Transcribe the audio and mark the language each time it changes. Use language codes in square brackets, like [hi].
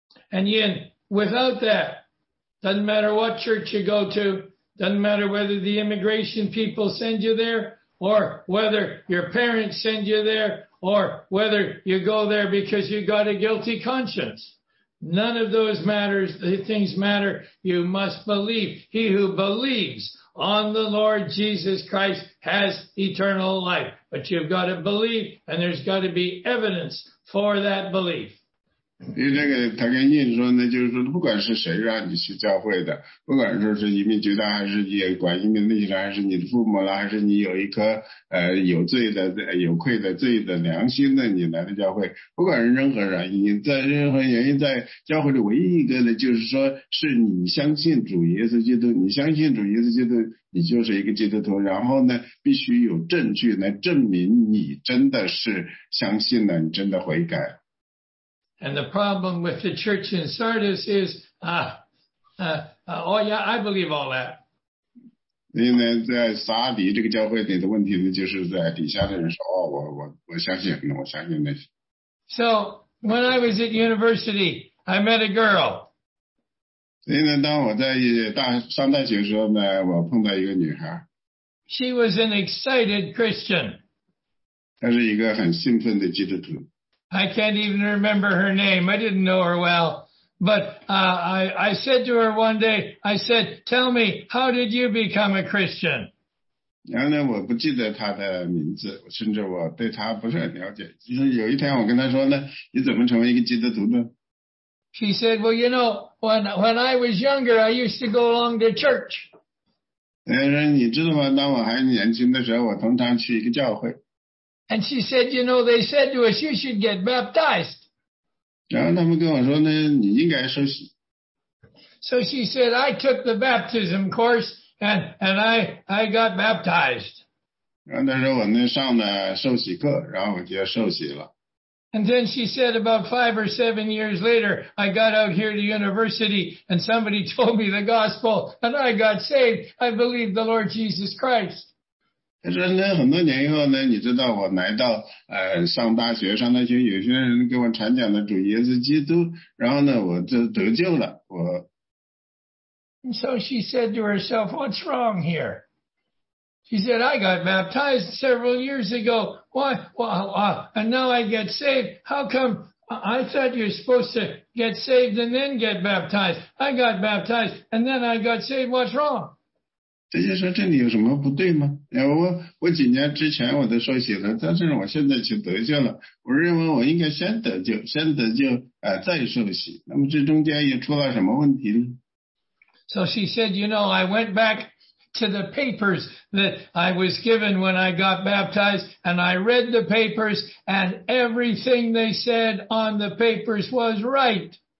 [en] And yet, without that, doesn't matter what church you go to, doesn't matter whether the immigration people send you there, or whether your parents send you there,or whether you go there because you got a guilty conscience. None of those matters, the things matter. You must believe. He who believes on the Lord Jesus Christ has eternal life. But you've got to believe, and there's got to be evidence for that belief. [zh] 因为这个他跟印说呢，就是说不管是谁让你去教会的，不管说是移民局的，还是你管移民的局的，还是你的父母了，还是你有一颗有罪的、有愧的罪的良心的，你来的教会，不管是任何原因，你在任何原因在教会里，唯一一个呢，就是说是你相信主耶稣基督，你相信主耶稣基督，你就是一个基督徒，然后呢，必须有证据来证明你真的是相信了，你真的悔改。 [en] And the problem with the church in Sardis is, oh yeah, I believe all that. [zh] 因为在撒底这个教会里的问题呢，就是在底下的人说，哦，我相信，我相信那些。 [en] So when I was at university, I met a girl. [zh] 所以呢，当我在上大学的时候呢，我碰到一个女孩。 [en] She was an excited Christian. [zh] 她是一个很兴奋的基督徒。 [en] I can't even remember her name. I didn't know her well. But I said to her one day, I said, tell me, how did you become a Christian? [zh] 然后呢，我不记得她的名字，甚至我对她不是很了解。就是有一天我跟她说呢，你怎么成为一个基督徒呢？ [en] She said, well, you know, when I was younger, I used to go along to church. [zh] 然后你知道吗？当我还年轻的时候，我通常去一个教会。 [en] And she said, you know, they said to us, you should get baptized. [zh] 然后他们跟我说呢，你应该受洗。 [en] So she said, I took the baptism course and I got baptized. [zh] 然后她说我呢上了受洗课，然后我就受洗了。 [en] And then she said, about 5 or 7 years later, I got out here to university and somebody told me the gospel and I got saved. I believed the Lord Jesus Christ. [zh] 他说呢，很多年以后呢，你知道我来到上大学，上大学有些人给我传讲的主耶稣基督，然后呢，我就得救了。我。 [en] And so she said to herself, "What's wrong here?" She said, "I got baptized several years ago. Why? And now I get saved. How come? I thought you're supposed to get saved and then get baptized. I got baptized and then I got saved. What's wrong?" [zh] 这些说这里有什么不对吗？我几年之前我都受洗了，但是我现在去得救了，我认为我应该先得救，再受洗。那么这中间也出了什么问题呢？ [en] So she said, you know, I went back to the papers that I was given when I got baptized, and I read the papers, and everything they said on the papers was right.